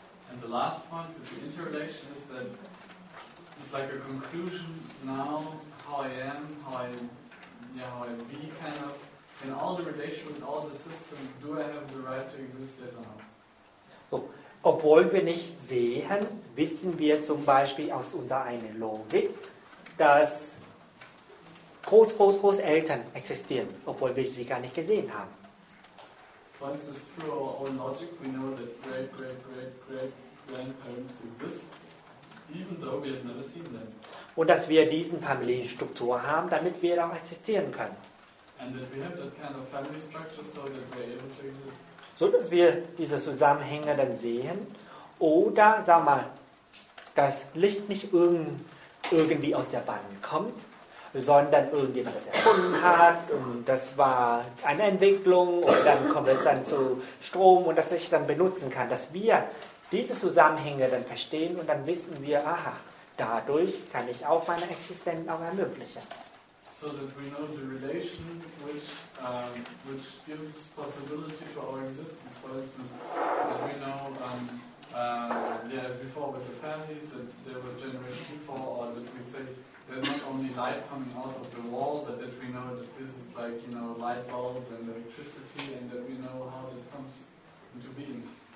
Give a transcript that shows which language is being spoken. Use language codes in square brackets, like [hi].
[en] And the last point of the interrelation is that it's like a conclusion now, how I be kind of in all the relation with all the systems, do I have the right to exist, yes or no? [de] So, obwohl wir nicht sehen, wissen wir zum Beispiel aus unserer eigenen Logik, dass groß Eltern existieren, obwohl wir sie gar nicht gesehen haben. [en] For instance, through our own logic, we know that great-great-great-great-grandparents exist, even though we have never seen them. [de] Und dass wir diesen Familienstruktur haben, damit wir auch existieren können. [en] And that we have that kind of family structure so that we are able to exist. [de] So dass wir diese Zusammenhänge dann sehen. Oder, sag mal, das Licht nicht irgendwie aus der Bahn kommt, sondern irgendjemand das erfunden hat und das war eine Entwicklung und dann kommt es dann zu Strom und das sich dann benutzen kann. Dass wir diese Zusammenhänge dann verstehen und dann wissen wir, aha, dadurch kann ich auch meine Existenz auch ermöglichen. [en] So that we know the relation which gives possibility to our existence. For instance, that we know as before with the families, that there was generation before, or that we say there's not only light coming out of the wall, but that we know that this is like, you know, light bulbs and electricity, and that we know how it comes into being.